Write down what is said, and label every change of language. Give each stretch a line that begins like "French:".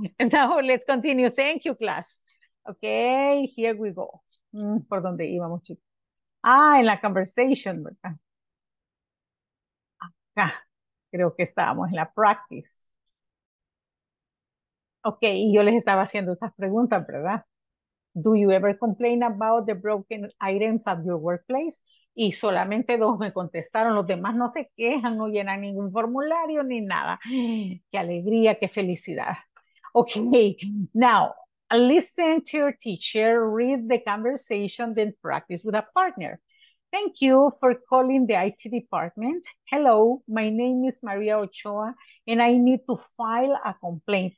English: Now let's continue. Thank you, class. Ok, here we go.
Spanish: ¿Por dónde íbamos, chicos? Ah, en la conversation, ¿verdad? Acá, creo que estábamos en la practice. Okay, y yo les estaba haciendo esas preguntas, ¿verdad?
English: Do you ever complain about the broken items at your workplace?
Spanish: Y solamente dos me contestaron, los demás no se quejan, no llenan ningún formulario ni nada. ¡Qué alegría, qué felicidad!
English: Okay, now, listen to your teacher, read the conversation, then practice with a partner. Thank you for calling the IT department. Hello, my name is Maria Ochoa and I need to file a complaint.